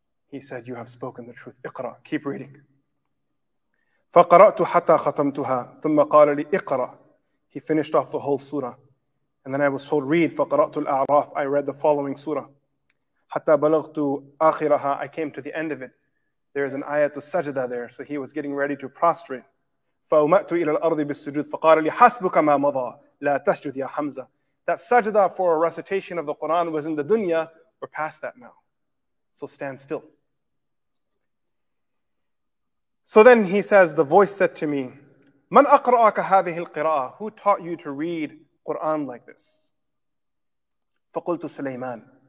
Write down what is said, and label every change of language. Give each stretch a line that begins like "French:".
English: He said, you have spoken the truth. اقرأ. Keep reading.
Arabic: فَقَرَأْتُ حَتَّى خَتَمْتُهَا ثُمَّ قَالَ لِي اقرأ.
English: He finished off the whole surah. And then I was told, read.
Arabic: فَقَرَأْتُ الْأَعْرَافِ.
English: I read the following surah.
Arabic: حتى بلغت آخرها.
English: I came to the end of it. There is an ayat of sajda there, so he was getting ready to prostrate.
Arabic: فأومأت إلى الأرض بالسجود. فقال لي حسبك ما مضى لا تسجد يا حمزة.
English: That sajda for a recitation of the Quran was in the dunya. We're past that now, so stand still. So then he says, the voice said to me,
Arabic: من أقرأك هذه القراءة.
English: Who taught you to read Quran like this?
Arabic: فقلت سليمان.